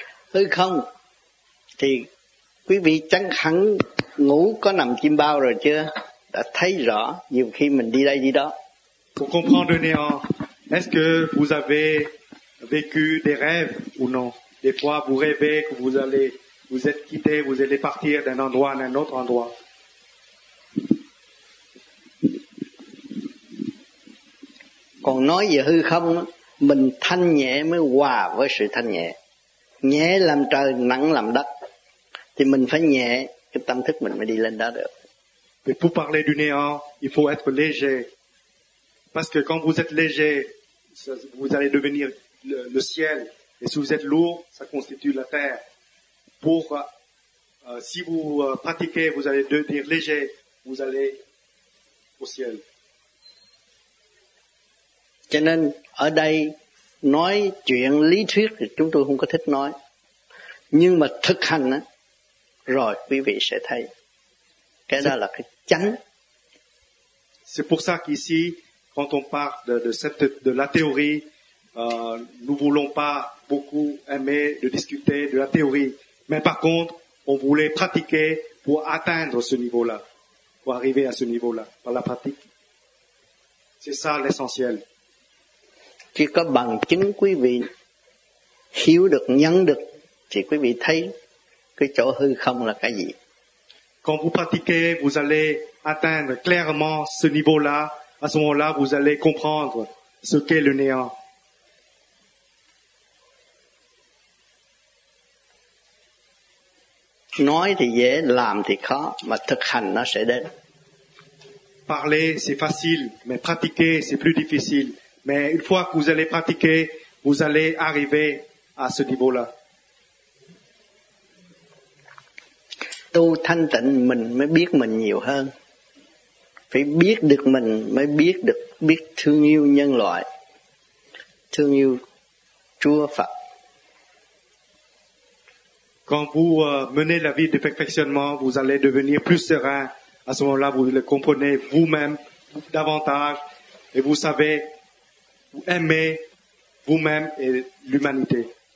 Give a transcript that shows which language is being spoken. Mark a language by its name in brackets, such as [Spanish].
[Vietnamese] Hư không thì quý vị chắc hẳn ngủ có nằm chiêm bao rồi chưa, đã thấy rõ nhiều khi mình đi đây đi đó. [French] Pour comprendre le néant, Est-ce que vous avez vécu des rêves ou non? Des fois, vous rêvez que vous allez, vous êtes quitté, vous allez partir d'un endroit à un autre endroit. [Vietnamese] Còn nói gì hư không, mình thanh nhẹ mới hòa với sự thanh nhẹ. Nhẹ làm trời, nặng làm đất. Thì mình phải nhẹ, cái tâm thức mình mới đi lên đó được. [French] Mais pour parler du néant, il faut être léger. Parce que quand vous êtes léger, vous allez devenir le ciel. Et si vous êtes lourd, ça constitue la terre. Pour, si vous pratiquez, vous allez devenir léger, vous allez au ciel. [Vietnamese] Cho nên, ở đây, nói chuyện lý thuyết thì chúng tôi không có thích nói. Nhưng mà thực hành, rồi quý vị sẽ thấy. Cái đó là cái chánh. [French] C'est pour ça qu'ici, quand on parle de la théorie, nous ne voulons pas beaucoup aimer de discuter de la théorie. Mais par contre, on voulait pratiquer pour atteindre ce niveau-là, pour arriver à ce niveau-là, par la pratique. C'est ça l'essentiel. [Vietnamese] Chỉ có bằng chứng quý vị hiểu được, nhận được, thì quý vị thấy cái chỗ hư không là cái gì. [French] Quand vous pratiquez, vous allez atteindre clairement ce niveau-là. À ce moment-là, vous allez comprendre ce qu'est le néant. [Vietnamese] Nói thì dễ, làm thì khó, mà thực hành nó sẽ đến. [French] Parler, c'est facile, mais pratiquer, c'est plus difficile. Mais une fois que vous allez pratiquer, vous allez arriver à ce niveau-là. [Vietnamese] Tu thanh tịnh mình mới biết mình nhiều hơn. Phải biết được mình mới biết được, biết thương yêu nhân loại, thương yêu Chúa Phật. [French] Quand vous menez la vie de perfectionnement, vous allez devenir plus serein. À ce moment-là, vous le comprenez vous-même davantage et vous savez aimer vous-même et l'humanité.